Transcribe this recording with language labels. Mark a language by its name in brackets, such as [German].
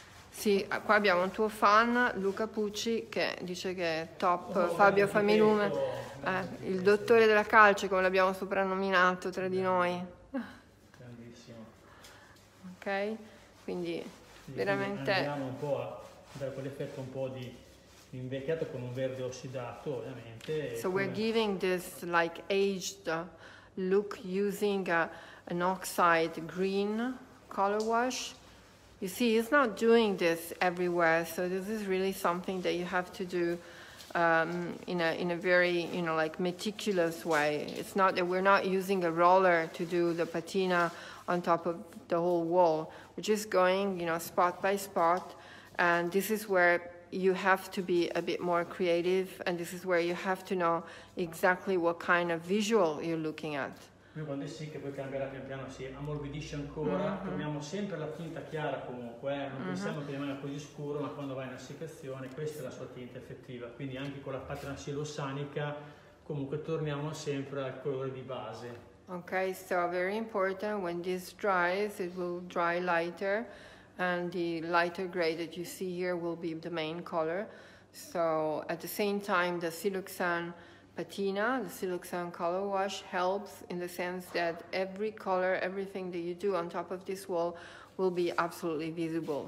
[Italian] Sì, qua abbiamo un tuo fan, Luca Pucci, che dice che è top, oh, Fabio Familume, il dottore della calce, come l'abbiamo soprannominato tra di noi. Grandissimo. Ok, quindi veramente... Andiamo un po' a dare quell'effetto un po' di invecchiato con un verde ossidato, ovviamente. [English] So come... we're giving this like aged look using an oxide green color wash. You see, it's not doing this everywhere, so this is really something that you have to do in a very, you know, like meticulous way. It's not that we're not using a roller to do the patina on top of the whole wall. We're just going, you know, spot by spot, and this is where you have to be a bit more creative, and this is where you have to know exactly what kind of visual you're looking at. [Italian] Lui quando è sì che poi cambierà pian piano, si ammorbidisce ancora, torniamo sempre alla tinta chiara comunque, non pensiamo che rimanga così scuro, ma quando va in assecazione questa è la sua tinta effettiva, quindi anche con la patina silosanica comunque torniamo sempre al colore di base. [English] Ok, so very important, when this dries it will dry lighter and the lighter gray that you see here will be the main color, so at the same time the siloxan patina, the siloxan color wash helps in the sense that every color, everything that you do on top of this wall will be absolutely visible.